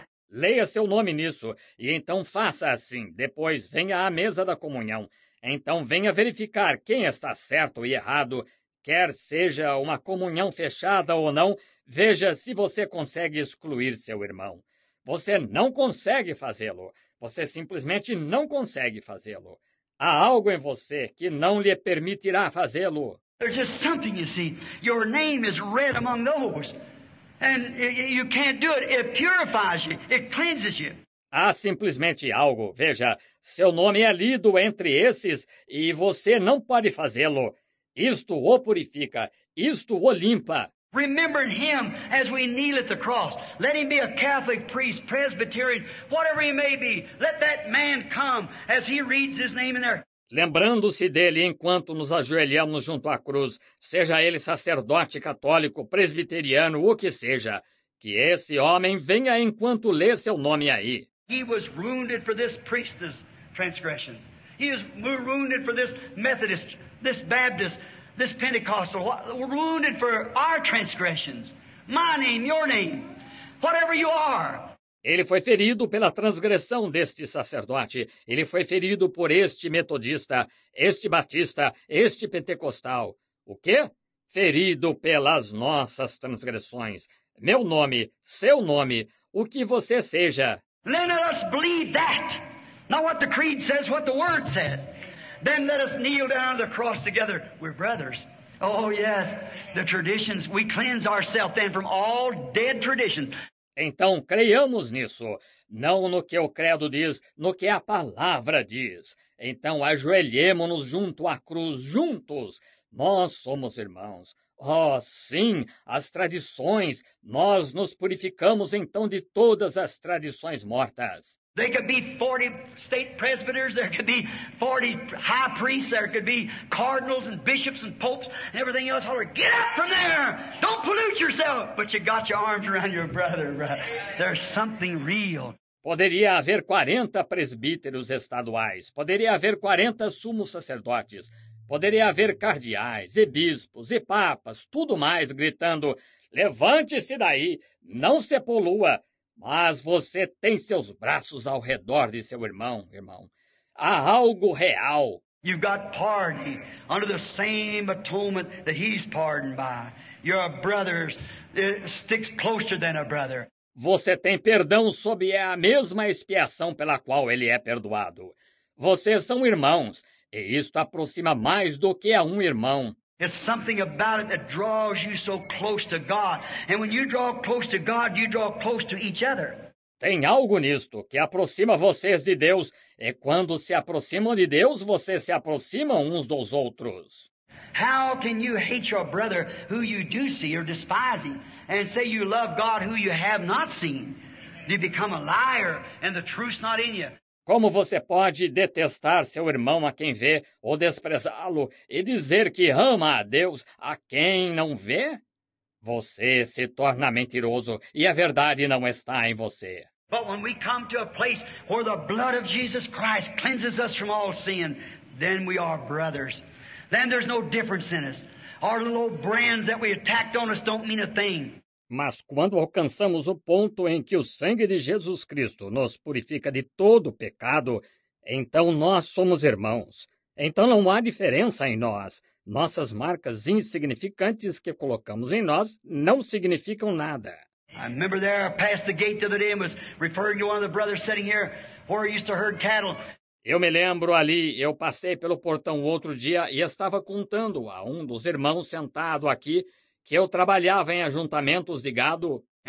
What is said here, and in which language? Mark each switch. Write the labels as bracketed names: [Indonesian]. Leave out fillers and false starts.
[Portuguese] Leia seu nome nisso, e então faça assim. Depois venha à mesa da comunhão. Então venha verificar quem está certo e errado. Quer seja uma comunhão fechada ou não, veja se você consegue excluir seu irmão. Você não consegue fazê-lo. Você simplesmente não consegue fazê-lo. Há algo em você que não lhe permitirá fazê-lo. [English] There's just something, you see. Your name is read among those. And you can't do it. It purifies you. It cleanses you. [Portuguese] Há simplesmente algo. Veja, seu nome é lido entre esses e você não pode fazê-lo. Isto o purifica. Isto o limpa. [English] Remembering him as we kneel at the cross. Let him be a Catholic priest, Presbyterian, whatever he may be. Let that man come as he reads his name in there. [Portuguese] Lembrando-se dele enquanto nos ajoelhamos junto à cruz, seja ele sacerdote, católico, presbiteriano, o que seja, que esse homem venha enquanto lê seu nome aí. [English] He was wounded for this priest's transgression. He was wounded for this Methodist, this Baptist, this Pentecostal. Wounded for our transgressions. My name, your name, whatever you are. [Portuguese] Ele foi ferido pela transgressão deste sacerdote. Ele foi ferido por este metodista, este batista, este pentecostal. O quê? Ferido pelas nossas transgressões. Meu nome, seu nome, o que você seja. [English] Then let us believe that. Not what the creed says, what the word says. Then let us kneel down on the cross together. We're brothers. Oh, yes. The traditions, we cleanse ourselves then from all dead traditions. [Portuguese] Então, creiamos nisso, não no que o credo diz, no que a palavra diz. Então, ajoelhemo-nos junto à cruz, juntos. Nós somos irmãos. Oh, sim, as tradições, nós nos purificamos então de todas as tradições mortas. [English] There could be 40 state presbyters, there could be 40 high priests, there could be cardinals and bishops and popes and everything else. Holler, get up from there! Don't pollute yourself! But you got your arms around your brother, brother. There's something real. [Portuguese] Poderia haver 40 presbíteros estaduais, poderia haver 40 sumos sacerdotes, poderia haver cardeais e bispos e papas, tudo mais, gritando, levante-se daí, não se polua. Mas você tem seus braços ao redor de seu irmão, irmão. Há algo real. [English] You've got pardon under the same atonement that he's pardoned by. You're a brother, sticks closer than a brother. [Portuguese] Você tem perdão sob a mesma expiação pela qual ele é perdoado. Vocês são irmãos, e isto aproxima mais do que a um irmão. [English] It's something about it that draws you so close to God. And when you draw close to God, you draw close to each other. [Portuguese] Tem algo nisto que aproxima vocês de Deus. E quando se aproximam de Deus, vocês se aproximam uns dos outros. [English] How can you hate your brother who you do see or despising and say you love God who you have not seen? You become a liar and the truth's not in you. [Portuguese] Como você pode detestar seu irmão a quem vê ou desprezá-lo e dizer que ama a Deus a quem não vê? Você se torna mentiroso e a verdade não está em você. [English] But when we come to a place where the blood of Jesus Christ cleanses us from all sin, then we are brothers. Then there's no difference in us. Our little brands that we attacked on us don't mean a thing. [Portuguese] Mas quando alcançamos o ponto em que o sangue de Jesus Cristo nos purifica de todo pecado, então nós somos irmãos. Então não há diferença em nós. Nossas marcas insignificantes que colocamos em nós não significam nada. [English] I remember there I passed the gate the other day and was referring to one of the brothers sitting here where I used to herd cattle. [Portuguese] Eu me lembro ali, eu passei pelo portão outro dia e estava contando a um dos irmãos sentado aqui que eu trabalhava em ajuntamentos de gado.